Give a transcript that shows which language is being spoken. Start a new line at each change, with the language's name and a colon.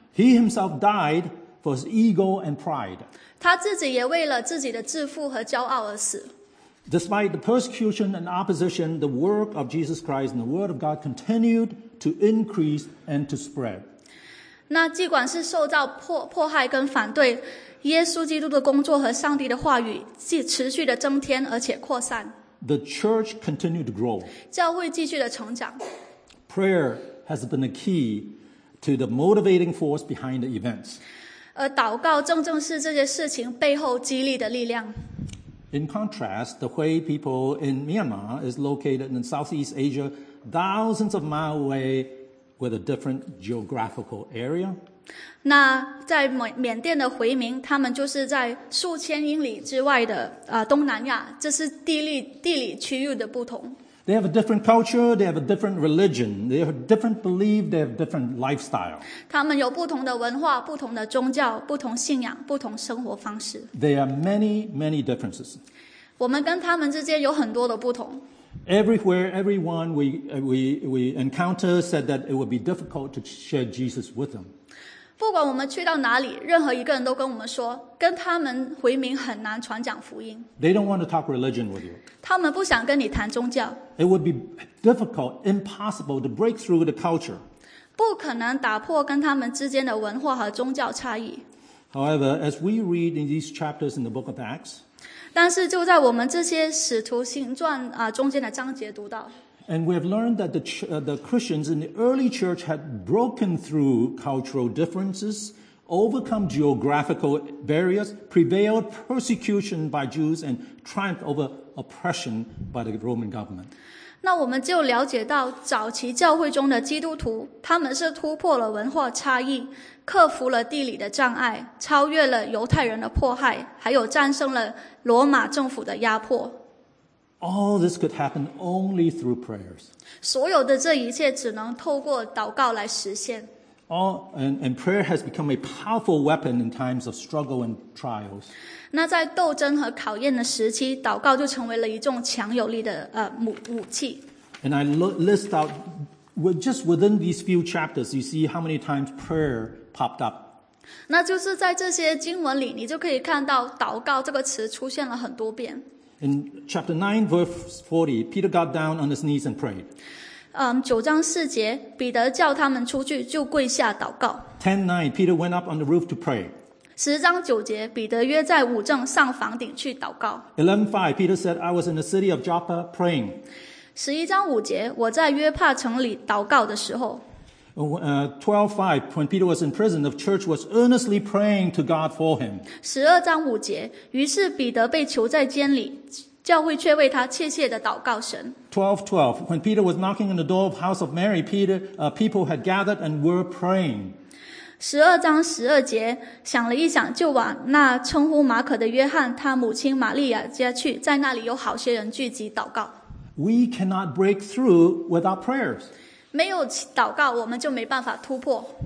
English: He himself died for his ego and pride.
Chinese: 他自己也为了自己的自负和骄傲而死。
English: Despite the persecution and opposition, the work of Jesus Christ and the word of God continued to increase and to spread.
Chinese: 那尽管是受到迫害跟反对，耶稣基督的工作和上帝的话语继持续的增添而且扩散。
English: The church continued to grow.
Chinese: 教会继续的成长。
English: Prayer has been a key to the motivating force behind the events.
Chinese: 而祷告正正是这些事情背后激励的力量。
English: In contrast, the Hui people in Myanmar is located in Southeast Asia, thousands of miles away with a different geographical area.
Chinese: 那在缅甸的回民，他们就是在数千英里之外的东南亚，这是地理区域的不同。
English: They have a different culture, they have a different religion, they have a different belief, they have a different lifestyle.
Chinese: 他们有不同的文化、不同的宗教、不同信仰、不同生活方式。
English: There are many, many differences.
Chinese: 我们跟他们之间有很多的不同。
English: Everywhere, everyone we encounter said that it would be difficult to share Jesus with them.
Chinese: 不管我们去到哪里，任何一个人都跟我们说，跟他们回民很难传讲福音。
English: They don't want to talk religion with you.
Chinese: 他们不想跟你谈宗教。
English: It would be difficult, impossible to break through the culture.
Chinese: 不可能打破跟他们之间的文化和宗教差异。
English: However, as we read in these chapters in the book of Acts,
Chinese: 但是就在我们这些使徒行传中间的章节读到，
English: And we have learned that the Christians in the early church had broken through cultural differences, overcome geographical barriers, prevailed persecution by Jews, and triumphed over oppression by the Roman government.
Chinese: 那我们就了解到早期教会中的基督徒，他们是突破了文化差异，克服了地理的障碍，超越了犹太人的迫害，还有战胜了罗马政府的压迫。
English: All this could happen only through prayers.
Chinese: 所有的这一切只能透过祷告来实现。
English: And prayer has become a powerful weapon in times of struggle and trials.
Chinese: 那在斗争和考验的时期，祷告就成为了一种强有力的武器。
English: And I list out just within these few chapters, you see how many times prayer popped up.
Chinese: 那就是在这些经文里，你就可以看到祷告这个词出现了很多遍。
English: In chapter 9, verse 40, Peter got down on his knees and prayed.
Chinese: 九章四节，彼得叫他们出去，就跪下祷告。
English: 10:9, Peter went up on the roof to pray.
Chinese: 十章九节，彼得约在五正上房顶去祷告。
English: 11:5, Peter said, "I was in the city of Joppa praying."
Chinese: 十一章五节，我在约帕城里祷告的时候。
English: 12:5, when Peter was in prison, the church was earnestly praying to God for him.
Chinese: 十二章五节，于是彼得被囚在监里，教会却为他切切的祷告神。
English: 12:12, when Peter was knocking on the door of the house of Mary, people had gathered and were praying.
Chinese: 十二章十二节，想了一想，就往那称呼马可的约翰他母亲玛利亚家去，在那里有好些人聚集祷告。
English: We cannot break through without prayers.
Chinese: 没有祷告，我们就没办法突破。